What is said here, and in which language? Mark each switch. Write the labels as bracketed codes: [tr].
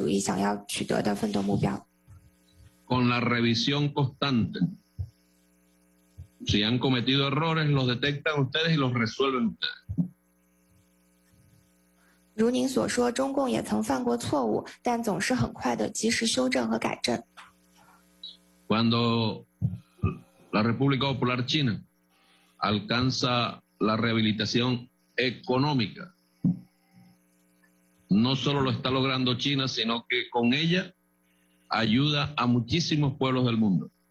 [zh] 也正因如此，你们取得了全面建成小康社会的这一伟大成就，这也是委内瑞拉社会主义想要取得的奋斗目标。 [es] Con la revisión constante, si han cometido errores, los detectan ustedes y los resuelven ustedes. [zh] 如您所说，中共也曾犯过错误，但总是很快的及时修正和改正。 [es] Cuando la República Popular China alcanza la rehabilitación económica. No solo lo está logrando China, sino que con ella ayuda a muchísimos pueblos del mundo.